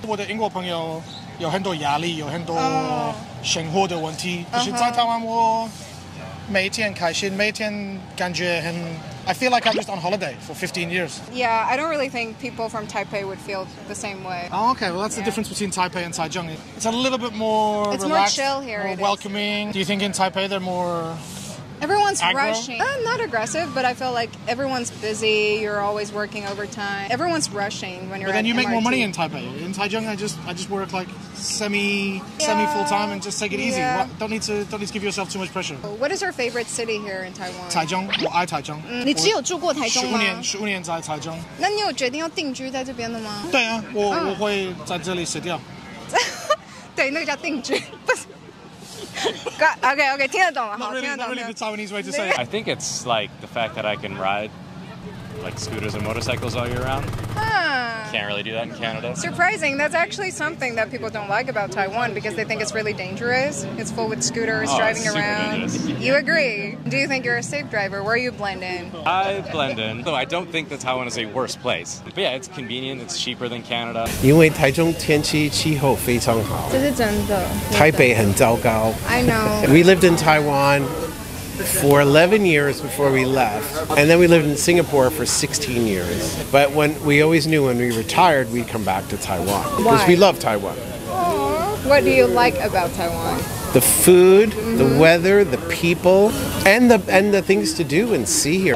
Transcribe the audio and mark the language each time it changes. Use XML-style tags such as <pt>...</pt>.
<zh>我的英国朋友有很多压力，有很多生活的问题。就是在台湾，我每天开心，每天感觉很。</zh> <en>I feel like I'm just on holiday for 15 years. Yeah, I don't really think people from Taipei would feel the same way. Oh, okay. Well, that's the difference between Taipei and Taichung. It's a little bit more It's relaxed, more chill here. More welcoming. Do you think in Taipei they're more... Everyone's、 aggro? rushing. I'm not aggressive, but I feel like everyone's busy. You're always working overtime. Everyone's rushing when you're But then you make、 MRT. more money in Taipei. In Taichung, I just work like semi full-time and just take it easy. Don't need to give yourself too much pressure. What is your favorite city here in Taiwan? Taichung.</en> <zh>我爱台中、你只有住过台中吗？ 15年在台中。那你有决定要定居在这边的吗？对啊，我会在这里死掉。对，那个叫定居。</zh> <en>Got, okay, okay,</en> <zh>听得懂了</zh> <en>Not really, not really the Taiwanese way to say it. I think it's like the fact that I can ride like scooters and motorcycles all year round. Can't really do that in Canada. Surprising, that's actually something that people don't like about Taiwan because they think it's really dangerous. It's full with scooters driving around. You agree. Do you think you're a safe driver? Where you blend in? I blend in. Though I don't think that Taiwan is a worse place. But yeah, it's convenient, it's cheaper than Canada.</en> <zh>因为台中天气气候非常好。这是真的。台北很糟糕。</zh> <en>I know. We lived in Taiwan. For 11 years before we left, and then we lived in Singapore for 16 years. But when we always knew when we retired, we'd come back to Taiwan. Why? Because we love Taiwan. Aww. What do you like about Taiwan? The food, the weather, the people, and the things to do and see here.</en>